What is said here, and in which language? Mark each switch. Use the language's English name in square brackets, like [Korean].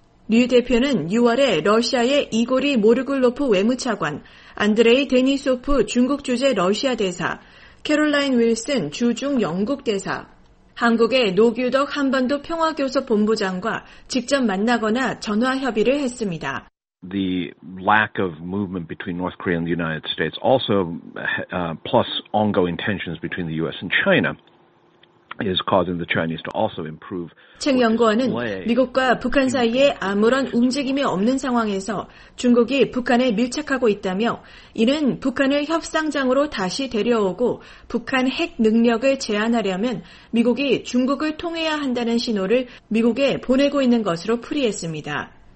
[Korean] 류 대표는 6월에 러시아의 이고리 모르글로프 외무차관, 안드레이 데니소프 중국 주재 러시아 대사, 캐롤라인 윌슨 주중 영국 대사, 한국의 노규덕 한반도 평화교섭 본부장과 직접 만나거나 전화 협의를 했습니다. [English] The lack of movement between North Korea and the United States also plus ongoing tensions between the US and China is causing the Chinese to also improve. [Korean] 챙 연구원은 미국과 북한 사이에 아무런 움직임이 없는 상황에서 중국이 북한에 밀착하고 있다며 이는 북한을 협상장으로 다시 데려오고 북한 핵 능력을 제한하려면 미국이 중국을 통해야 한다는 신호를 미국에 보내고 있는 것으로 풀이했습니다.